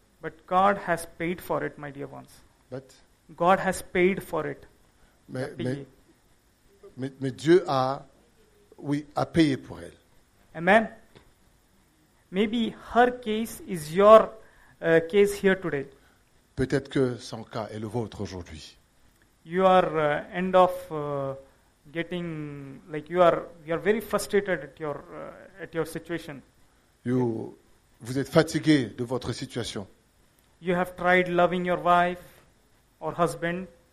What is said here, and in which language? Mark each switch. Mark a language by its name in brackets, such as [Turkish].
[English] But God has paid for it, my dear ones. But God has paid for it. [French] Mais Dieu a oui, à payer pour elle. [English] Amen. Maybe her case is your case here today. [French] Peut-être que son cas est le vôtre aujourd'hui. [English] You are end of getting like you are very frustrated at your situation. [French] Vous êtes fatigué de votre situation. [English] You have tried loving your wife or husband.